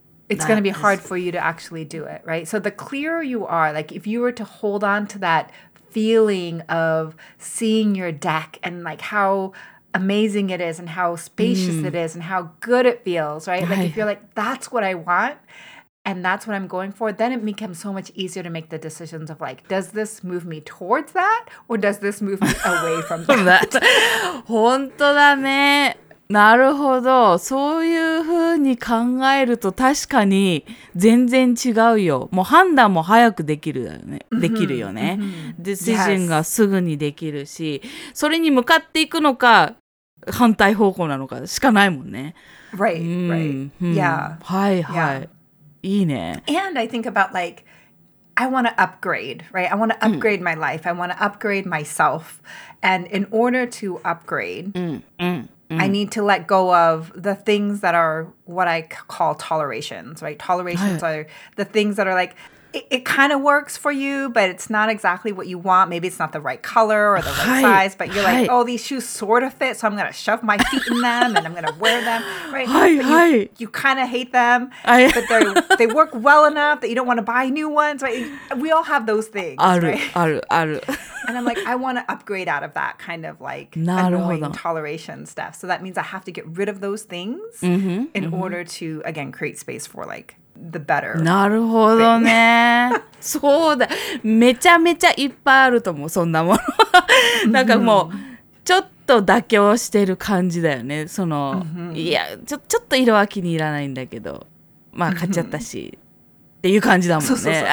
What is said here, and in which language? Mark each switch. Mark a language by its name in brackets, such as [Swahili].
[English] It's going to be hard for you to actually do it, right? So the clearer you are, like if you were to hold on to that feeling of seeing your deck and like how amazing it is and how spacious it is and how good it feels, right? Like if you're like, that's what I want and that's what I'm going for, then it becomes so much easier to make the decisions of like, does this move me towards that or does this move me away from that? [Japanese] 本当だね。なるほど。そういうふうに考えると確かに全然違うよ。もう判断も早くできるよね。できるよね。ディシジョンがすぐにできるし、それに向かっていくのか、反対方向なのかしかないもんね。 [English] Right, right. Yeah. [Japanese] はいはい。いいね。 [English] And I think about like, I want to upgrade, right? I want to upgrade my life. I want to upgrade myself. And in order to upgrade, I need to let go of the things that are what I call tolerations, right? Tolerations are the things that are like, it kind of works for you, but it's not exactly what you want. Maybe it's not the right color or the right size, but you're like, oh, these shoes sort of fit, so I'm going to shove my feet in them and I'm going to wear them, right? You kind of hate them, but they work well enough that you don't want to buy new ones, right? We all have those things, And I'm like, I want to upgrade out of that kind of like annoying toleration stuff. So that means I have to get rid of those things in order to, again, create space for like, the better. [Japanese] なるほどね。そうだ。めちゃめちゃいっぱいあると思う、そんなもの。なんかもう、ちょっと妥協してる感じだよね。その、いや、ちょっと色は気に入らないんだけど、まあ買っちゃったし、っていう感じだもんね。